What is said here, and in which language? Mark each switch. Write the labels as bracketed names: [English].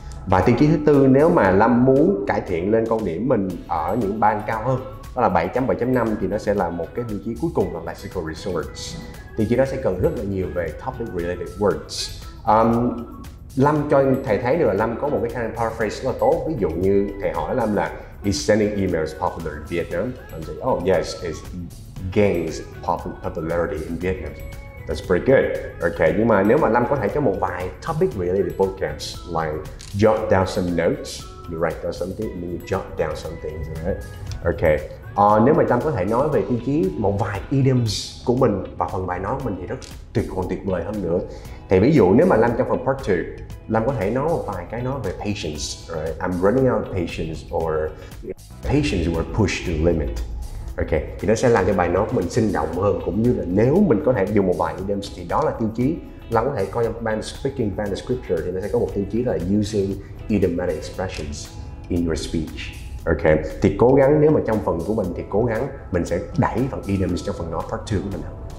[Vietnamese] Và tiêu chí thứ tư, nếu mà Lâm muốn cải thiện lên con điểm mình ở những bang cao hơn, đó là 7.7.5, thì nó sẽ là một cái tiêu chí cuối cùng là lexical resource. Tiêu chí đó sẽ cần rất là nhiều về topic related words. Lâm cho thầy thấy được là Lâm có một cái kind of paraphrase rất là tốt. Ví dụ như thầy hỏi Lâm là [English] is sending emails popular in Vietnam? I'm saying, oh yes, it gains popularity in Vietnam. That's pretty good. Okay, [Vietnamese] nhưng mà nếu mà Lâm có thể cho một vài [English] topic related vocabs, like jot down some notes, you write down something, and then you jot down something, right? Okay. [Vietnamese] Nếu mà Lâm có thể nói về tiêu chí một vài idioms của mình và phần bài nói của mình thì rất tuyệt, còn tuyệt vời hơn nữa. Thì ví dụ nếu mà Lâm trong phần part 2, Lâm có thể nói một vài cái nói về patience, right? [English] I'm running out of patience, or patience were pushed to the limit. [Vietnamese] Okay, thì nó sẽ làm cho bài nói của mình sinh động hơn, cũng như là nếu mình có thể dùng một vài idioms thì đó là tiêu chí. Lâm có thể coi trong band speaking, band scripture thì nó sẽ có một tiêu chí là [English] using idiomatic expressions in your speech. [Vietnamese] Okay, thì cố gắng nếu mà trong phần của mình thì cố gắng mình sẽ đẩy phần idioms trong phần nói part 2 của mình nào.